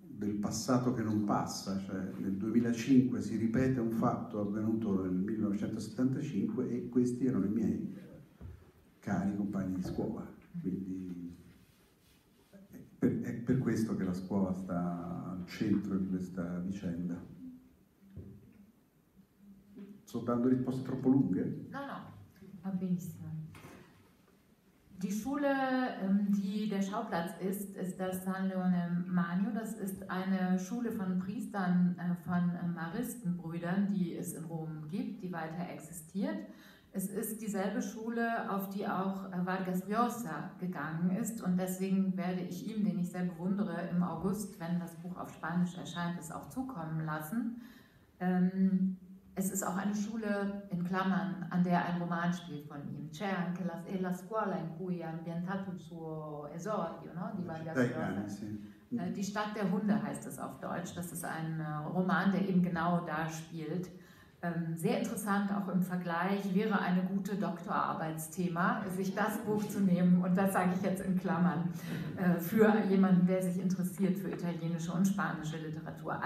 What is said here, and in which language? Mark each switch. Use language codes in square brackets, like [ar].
[it] del passato che non passa, cioè nel 2005 si ripete un fatto avvenuto nel 1975 e questi erano i miei cari compagni di scuola, quindi è per questo che la scuola sta al centro di questa vicenda. Sto dando risposte troppo lunghe? No, va benissimo. [de] Die Schule, die der Schauplatz ist, ist das San Leone Magno. Das ist eine Schule von Priestern, von Maristenbrüdern, die es in Rom gibt, die weiter existiert. Es ist dieselbe Schule, auf die auch Vargas Llosa gegangen ist. Und deswegen werde ich ihm, den ich sehr bewundere, im August, wenn das Buch auf Spanisch erscheint, es auch zukommen lassen. Es ist auch eine Schule, in Klammern, an der ein Roman spielt von ihm. [it] C'è anche la, la scuola in cui è ambientato il suo esordio, no? [de] Die Vargas Llosa. Die Stadt der Hunde heißt es auf Deutsch. Das ist ein Roman, der eben genau da spielt. Sehr interessant, auch im Vergleich, wäre eine gute Doktorarbeitsthema, sich das Buch zu nehmen, und das sage ich jetzt in Klammern, für jemanden, der sich interessiert für italienische und spanische Literatur.